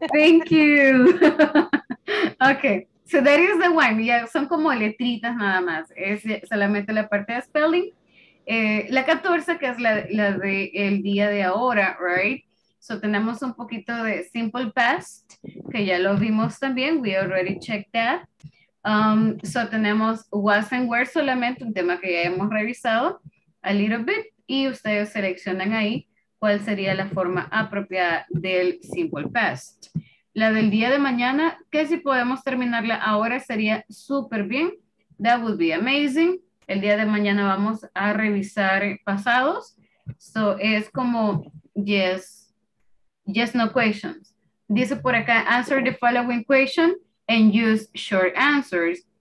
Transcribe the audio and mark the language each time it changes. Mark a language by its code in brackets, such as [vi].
[en] Thank you. Ok, so that is the one. [es] Yeah, son como letritas nada más. Es solamente la parte de spelling. La 14, que es la de el día de ahora, right? So tenemos un poquito de simple past, que ya lo vimos también. [en] We already checked that. So tenemos was and were solamente, [es] un tema que ya hemos revisado [en] a little bit. [es] Y ustedes seleccionan ahí cuál sería la forma apropiada del simple past. La del día de mañana, que si podemos terminarla ahora sería súper bien. [en] That would be amazing. [es] El día de mañana vamos a revisar pasados. So es como yes, yes, no questions. Dice por acá, [en] answer the following question and use short answers.